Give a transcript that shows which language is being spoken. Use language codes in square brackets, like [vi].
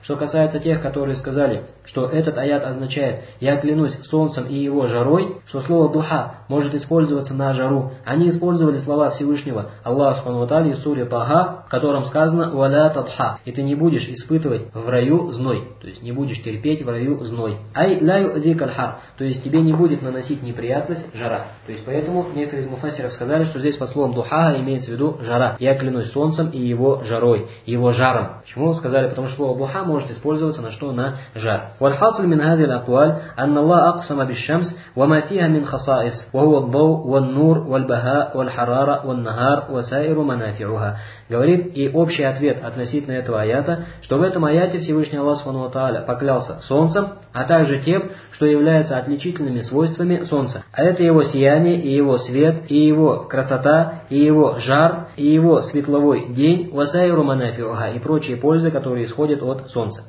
[ru] Что касается тех, которые сказали, что этот аят означает «Я клянусь солнцем и его жарой», что слово «духа» может использоваться на жару, они использовали слова Всевышнего Аллаха Субхану ва Тааля из суры Таха, в котором сказано [ar] «Валя тадха» [ru] и ты не будешь испытывать в раю зной, то есть не будешь терпеть в раю зной. [ar] «Ай ляю дикаль хар», [ru] то есть тебе не будет наносить неприятность жара. То есть поэтому некоторые из муфассиров сказали, что здесь под словом «духа» имеется в виду жара. «Я клянусь солнцем и его жарой», его жаром. Почему сказали? Потому что слово «духа» может использоваться на что? На жар. [ar] والحاصل من هذه الأقوال أن الله أقسم بالشمس وما فيها من خصائص وهو الضوء والنور والبهاء والحرارة والنهار وسائر منافعها. [ru] Говорит, и общий ответ относительно этого аята, что в этом аяте Всевышний Аллах Субхану ва Тааля поклялся солнцем, а также тем, что является отличительными свойствами солнца. А это его сияние, и его свет, и его красота, и его жар, и его светловой день, [ar] وَسَيْرُ مَنَافِعُهَا [ru] и прочие пользы, которые исходят от солнца.